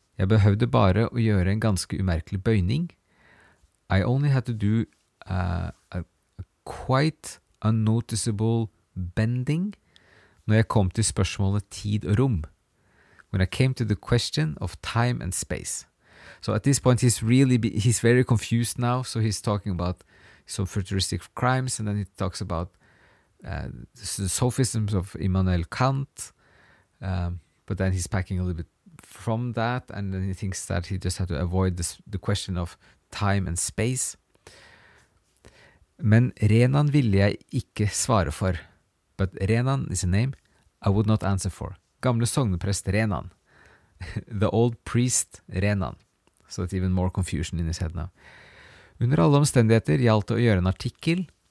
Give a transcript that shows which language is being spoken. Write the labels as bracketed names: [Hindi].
[Norwegian] Jeg behøvde bare å gjøre en ganske umerkelig bøyning. [English] I only had to do a quite unnoticeable bending [Norwegian] når jeg kom til spørsmålet tid og rom. [English] When I came to the question of time and space. So at this point, he's very confused now. So he's talking about some futuristic crimes, and then he talks about the sophisms of Immanuel Kant. But then he's packing a little bit from that, and then he thinks that he just had to avoid the question of time and space. [Norwegian] Men Renan ville jeg ikke svare for. [English] But Renan is a name I would not answer for. [Norwegian] Gamle sogneprest Renan. [English] The old priest Renan. So that's even more confusion in his head now. [Norwegian] Under alle omstendigheter gjaldt det å gjøre en artikkel.